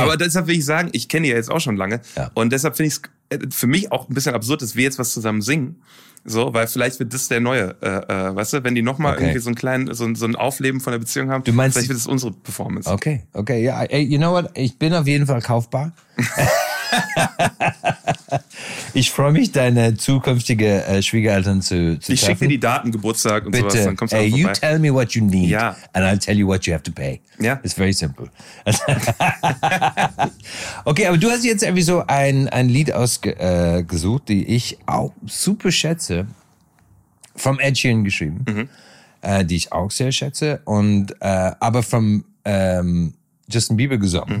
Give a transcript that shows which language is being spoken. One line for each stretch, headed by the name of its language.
German: Aber deshalb will ich sagen, ich kenne dich ja jetzt auch schon lange und deshalb finde ich es für mich auch ein bisschen absurd, dass wir jetzt was zusammen singen, so, weil vielleicht wird das der neue, weißt du, wenn die nochmal irgendwie so einen kleinen, so ein Aufleben von der Beziehung haben, du meinst, vielleicht wird das unsere Performance. Okay, ja,
English: yeah, you know what,
German: ich bin auf jeden Fall kaufbar. Ich freue mich, deine zukünftige Schwiegereltern zu treffen. Ich schicke dir die Daten, Geburtstag und bitte, sowas, dann kommst du vorbei.
English: You tell me what you need, and I'll tell you what you have to pay.
German: Ja.
English: It's very simple.
German: Okay, aber du hast jetzt irgendwie so ein Lied ausgesucht, die ich auch super schätze, vom Ed Sheeran geschrieben, die ich auch sehr schätze, und aber vom Justin Bieber gesungen.